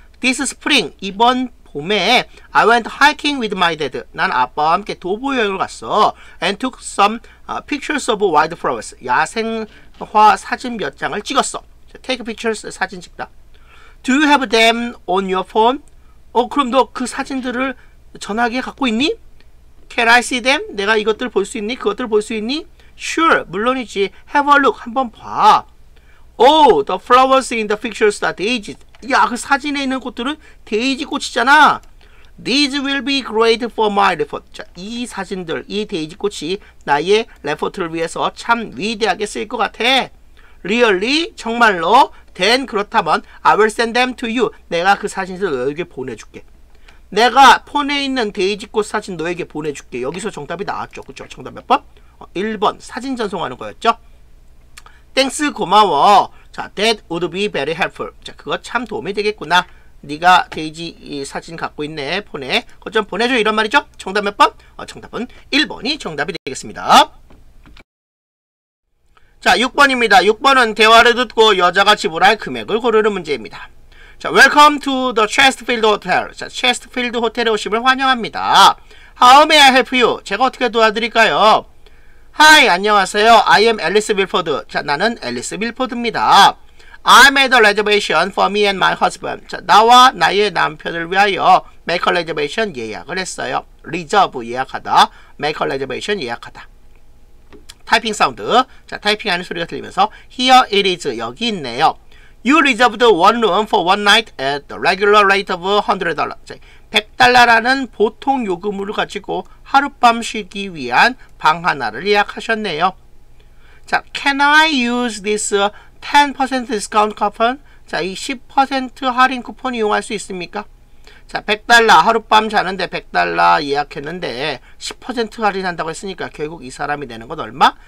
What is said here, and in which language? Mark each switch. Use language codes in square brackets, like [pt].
[en] This spring, [ko] 이번 봄에 [en] I went hiking with my dad. [ko] 난 아빠와 함께 도보 여행을 갔어. [en] And took some pictures of wildflowers. [ko] 야생화 사진 몇 장을 찍었어. [en] Take pictures, [ko] 사진 찍다. [en] Do you have them on your phone? [ko] 어, 그럼 너 그 사진들을 전화기에 갖고 있니? [en] Can I see them? [ko] 내가 이것들 볼 수 있니? 그것들 볼 수 있니? [en] Sure, [ko] 물론이지. [en] Have a look, [ko] 한번 봐. [en] Oh, the flowers in the pictures are daisies. [ko] 야, 그 사진에 있는 꽃들은 데이지 꽃이잖아. [en] These will be great for my report. [ko] 자, 이 사진들, 이 데이지 꽃이 나의 레포트를 위해서 참 위대하게 쓰일 것 같아. [en] Really? [ko] 정말로? [en] Then [ko] 그렇다면 [en] I will send them to you. [ko] 내가 그 사진들을 너에게 보내줄게. 내가 폰에 있는 데이지 꽃 사진 너에게 보내줄게. 여기서 정답이 나왔죠. 그쵸? 정답 몇 번? 1번 사진 전송하는 거였죠. [en] Thanks, [ko] 고마워. [en] 자, that would be very helpful. [ko] 자, 그거 참 도움이 되겠구나. 네가 데이지 사진 갖고 있네, 폰에. 그거 좀 보내줘, 이런 말이죠? 정답 몇 번? 정답은 1번이 정답이 되겠습니다. 자, 6번입니다. 6번은 대화를 듣고 여자가 지불할 금액을 고르는 문제입니다. [en] 자, welcome to the Chesterfield Hotel. 자, [ko] Chesterfield Hotel에 오심을 환영합니다. [en] How may I help you? [ko] 제가 어떻게 도와드릴까요? [en] Hi, [ko] 안녕하세요. [en] I am Alice Milford. 자, [ko] 나는 Alice Milford입니다. [en] I made a reservation for me and my husband. [ko] 자, 나와 나의 남편을 위하여 [en] make a reservation [ko] 예약을 했어요. [en] Reserve [ko] 예약하다. [en] Make a reservation [ko] 예약하다. 타이핑 사운드. 자, 타이핑하는 소리가 들리면서 [en] Here it is. [ko] 여기 있네요. [en] You reserved one room for one night at the regular rate of $100. [ko] 자, 100달러라는 보통 요금으로 가지고 하룻밤 쉬기 위한 방 하나를 예약하셨네요. [en] 자, can I use this 10% discount coupon? [ko] 자, 이 10% 할인 쿠폰 이용할 수 있습니까? 자, 100달러, 하룻밤 자는데 100달러 예약했는데 10% 할인한다고 했으니까 결국 이 사람이 내는 건 얼마?